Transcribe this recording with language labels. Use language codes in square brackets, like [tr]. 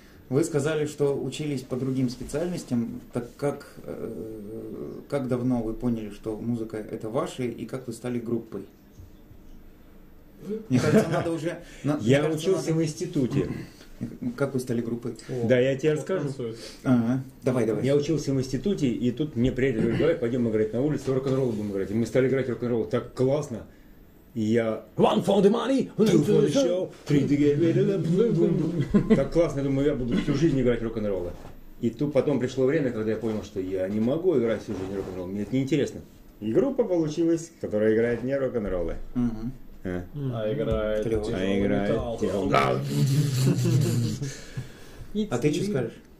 [ru] Вы сказали, что учились по другим специальностям. Так как давно вы поняли, что музыка – это ваша, и как вы стали группой? Мне кажется, надо уже... Я учился в институте. Как вы стали группой? О, да, я тебе расскажу. Ага. Давай, давай. Я учился в институте, и тут мне приятель говорит, давай пойдем играть на улице, рок-н-ролл будем играть. И мы стали играть рок-н-ролл. Так классно. И я... [en] One for the money, two for the show, three to get rid of the... [ru] Так классно. Я думаю, я буду всю жизнь играть рок-н-ролла. И тут потом пришло время, когда я понял, что я не могу играть всю жизнь рок-н-ролла. Мне это неинтересно. И группа получилась, которая играет не рок-н-роллы. Угу. А играет тяжелый металл. А ты что скажешь?